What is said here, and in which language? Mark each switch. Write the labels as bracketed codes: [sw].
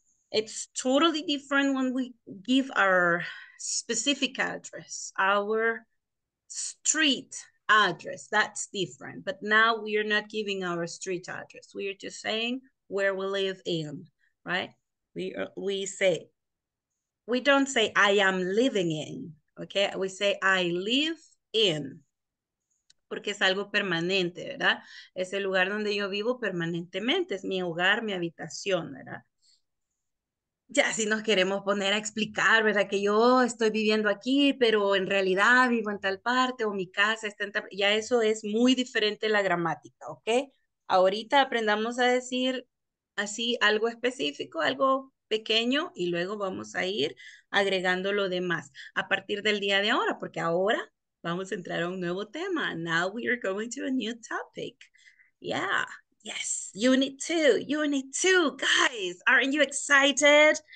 [en] It's totally different when we give our specific address, our street address. That's different. But now we are not giving our street address. We are just saying where we live in, right? We say, we don't say I am living in, okay? We say I live in, [es] porque es algo permanente, ¿verdad? Es el lugar donde yo vivo permanentemente, es mi hogar, mi habitación, ¿verdad? Ya si nos queremos poner a explicar, ¿verdad? Que yo estoy viviendo aquí, pero en realidad vivo en tal parte, o mi casa está en tal, ya eso es muy diferente la gramática, ¿ok? Ahorita aprendamos a decir así algo específico, algo pequeño, y luego vamos a ir agregando lo demás a partir del día de ahora, porque ahora vamos a entrar a un nuevo tema. [en] Now we are going to a new topic. Yeah, yes, unit two, guys, aren't you excited?